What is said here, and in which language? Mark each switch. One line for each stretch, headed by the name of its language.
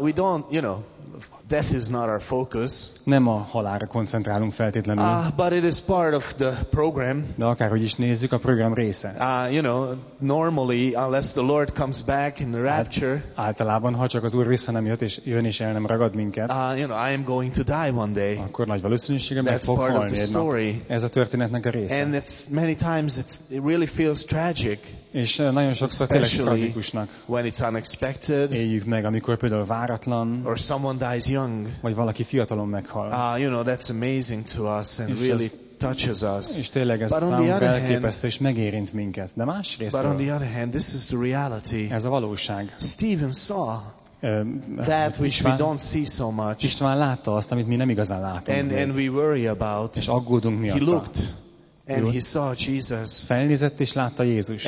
English: We don't, you know, death is not our focus.
Hungarian: Nem a halálra koncentrálunk feltétlenül.
English: But it is part of the program.
Hungarian: De akárhogy is nézzük, a program része.
English: You know, normally, unless the Lord comes back in the rapture.
Hungarian: Általában, ha csak az Úr vissza nem jött, és jön és el nem ragad minket.
English: You know, I am going to die one day.
Hungarian: Akkor nagy valószínűséggel meg fog halni.
English: That's part of the story.
Hungarian: Ez a történetnek a része.
English: And it's many times it really feels tragic.
Hungarian: És nagyon sokszor tényleg tragikusnak.
English: When it's unexpected.
Hungarian: Éljük meg, amikor például váratlan.
English: Or someone dies young.
Hungarian: Vagy valaki fiatalon meghal.
English: You know, that's amazing to us and really touches us.
Hungarian: És tényleg ez számunkra elképesztő, és megérint minket. De másrészt,
English: but on the other hand, this is the reality.
Hungarian: Ez a valóság.
English: Stephen saw that which we don't see so much.
Hungarian: István látta azt, amit mi nem igazán látunk.
English: And we worry about.
Hungarian: És aggódunk miatta.
English: He looked and he saw Jesus.
Hungarian: Felnézett és látta Jézust.